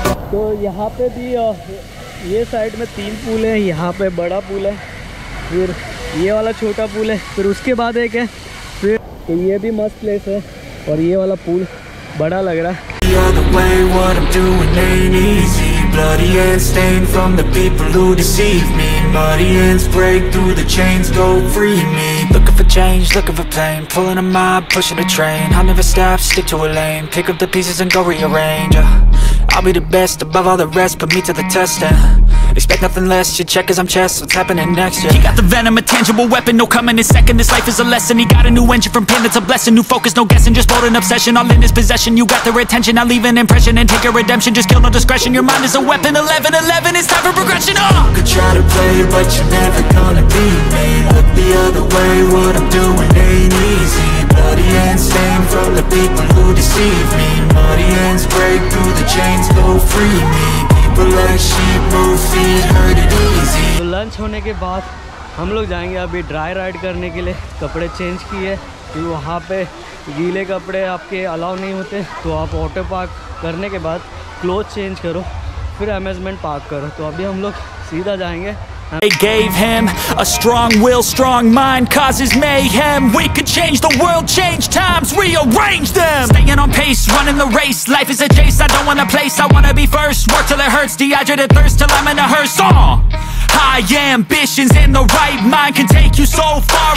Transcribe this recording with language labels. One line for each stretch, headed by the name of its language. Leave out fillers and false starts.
Hindi: तो यहाँ पे भी ये साइड में तीन पूल है, यहाँ पे बड़ा पूल है, फिर ये वाला छोटा पूल है, फिर उसके बाद एक है, फिर तो ये भी मस्त प्लेस है और ये वाला पूल बड़ा लग रहा है।
English: Looking for change, looking for pain. Pulling a mob, pushing a train. I'll never stop, stick to a lane. Pick up the pieces and go rearrange, yeah. I'll be the best above all the rest. Put me to the test, yeah. Expect nothing less, you check as I'm chess. What's happening next, yeah. He got the venom, a tangible weapon. No coming in second, this life is a lesson. He got a new engine from pain, that's a blessing. New focus, no guessing, just bold and obsession. All in his possession, you got the retention. I'll leave an impression and take a redemption. Just kill no discretion, your mind is a weapon. 11-11, it's time for progression, oh! You could try to play, but you're never gonna beat me. Look the other way, what I'm doing ain't easy. Bloody hands stained from the people who deceive me. Muddy hands break through the chains, go free me.
Hindi: तो lunch होने के बाद हम लोग जाएंगे अभी dry ride करने के लिए। कपड़े चेंज किए तो वहाँ पे गीले कपड़े आपके अलाउ नहीं होते, तो आप वाटर पार्क करने के बाद क्लोथ चेंज करो फिर अम्यूजमेंट पार्क करो। तो अभी हम लोग सीधा जाएंगे।
English: They gave him a strong will, strong mind causes mayhem. We could change the world, change times, rearrange them. Staying on pace, running the race. Life is a chase, I don't want a place. I want to be first, work till it hurts. Dehydrated thirst till I'm in a hearse. High ambitions in the right mind can take you so far.